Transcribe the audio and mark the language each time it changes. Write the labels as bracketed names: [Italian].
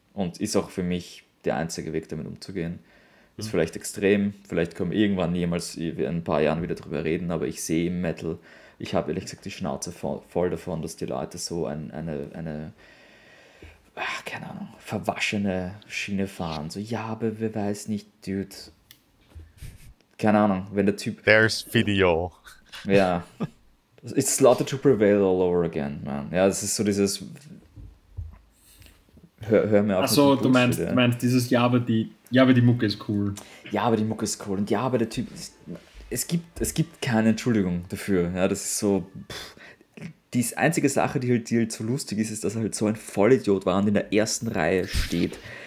[German] Und ist auch für mich der einzige Weg, damit umzugehen. Ist vielleicht extrem, vielleicht können wir irgendwann jemals in ein paar Jahren wieder drüber reden, aber ich sehe im Metal, ich habe ehrlich gesagt die Schnauze voll davon, dass die Leute so eine verwaschene Schiene fahren. So, ja, aber wer weiß nicht, Dude. Keine Ahnung, wenn der Typ... [English] There's video. [German] Ja. [English] It's slaughter to prevail all over again, man. [German] Ja, das ist so dieses... Hör mir auf. Achso, du meinst dieses Ja, aber die Mucke ist cool. Ja, aber die Mucke ist cool. Und ja, aber der Typ. Es gibt keine Entschuldigung dafür. Ja, das ist so. Die einzige Sache, die halt so lustig ist, ist, dass er halt so ein Vollidiot war und in der ersten Reihe steht.